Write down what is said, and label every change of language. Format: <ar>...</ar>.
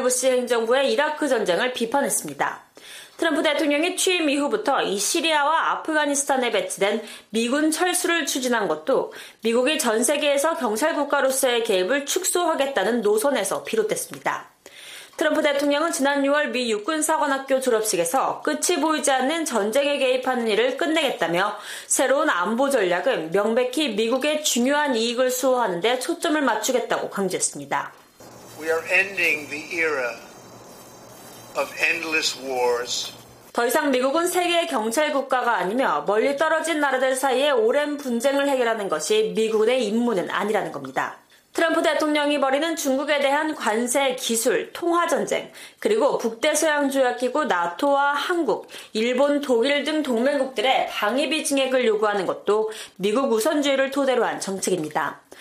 <ko>부시 행정부의 이라크 전쟁을 비판했습니다. 트럼프 대통령이 취임 이후부터 이 시리아와 아프가니스탄에 배치된 미군 철수를 추진한 것도 미국이 전 세계에서 경찰국가로서의 개입을 축소하겠다는 노선에서 비롯됐습니다. 트럼프 대통령은 지난 6월 미 육군사관학교 졸업식에서 끝이 보이지 않는 전쟁에 개입하는 일을 끝내겠다며 새로운 안보 전략은 명백히 미국의 중요한 이익을 수호하는 데 초점을 맞추겠다고 강조했습니다.</ko> <en>We are ending the era of endless wars.</en> <ko>더 이상 미국은 세계의 경찰 국가가 아니며 멀리 떨어진 나라들 사이에 오랜 분쟁을 해결하는 것이 미국의 임무는 아니라는 겁니다. 트럼프 대통령이 벌이는 중국에 대한 관세, 기술, 통화전쟁, 그리고 북대서양조약기구 나토와 한국, 일본, 독일 등 동맹국들의 방위비 증액을 요구하는 것도 미국 우선주의를 토대로 한 정책입니다.</ko>